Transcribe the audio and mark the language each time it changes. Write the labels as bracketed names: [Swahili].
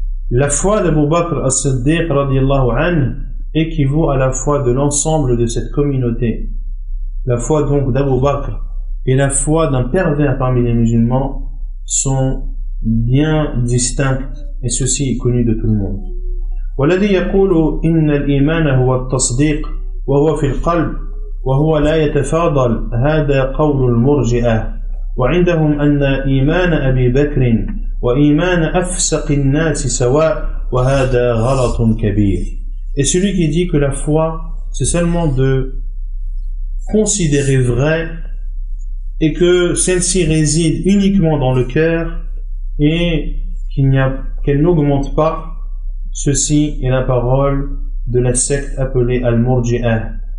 [French] La foi d'Abu Bakr as-Siddiq radiyallahu anhu équivaut à la foi de l'ensemble de cette communauté. La foi donc d'Abu Bakr et la foi d'un pervers parmi les musulmans sont bien distinctes. Et ceci est connu de tout le monde. [Arabic] والذي يقول إن الإيمان هو التصديق وهو في القلب وهو لا يتفاضل هذا قول المرجئة وعندهم أن إيمان أبي بكر وإيمان أفسق الناس سواء وهذا غلط كبير. [French] Et celui qui dit que la foi c'est seulement de considérer vrai et que celle-ci réside uniquement dans le cœur et qu'il n'y a qu'elle n'augmente pas, ceci est la parole de la secte appelée Al-Murji'ah.